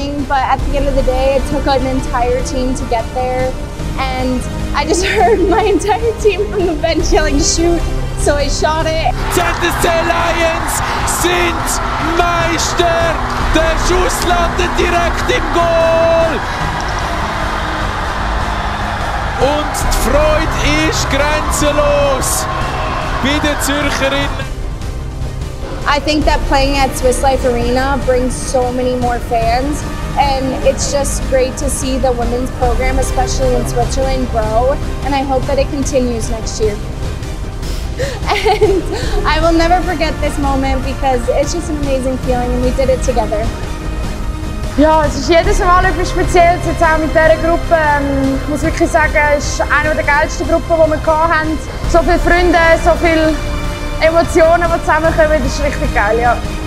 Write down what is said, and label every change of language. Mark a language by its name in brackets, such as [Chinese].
[English] But at the end of the day, it took an entire team to get there. And I just heard my entire team from the bench yelling, shoot, so I shot it. [German] ZSC Lions sind Meister! Der Schuss landet direkt im Goal! Und die Freude ist grenzenlos bei den Zürcherinnen. [English] I think that playing at Swiss Life Arena brings so many more fans. And it's just great to see the women's program, especially in Switzerland, grow. And I hope that it continues next year. And I will never forget this moment because it's just an amazing feeling and we did it together. [German] Ja, es ist jedes Mal etwas Spezielles, jetzt auch mit dieser Gruppe. Ich muss wirklich sagen, es ist eine der geilsten Gruppen, die wir hatten. So viele Freunde, so viele Emotionen, die zusammenkommen, das ist richtig geil, ja.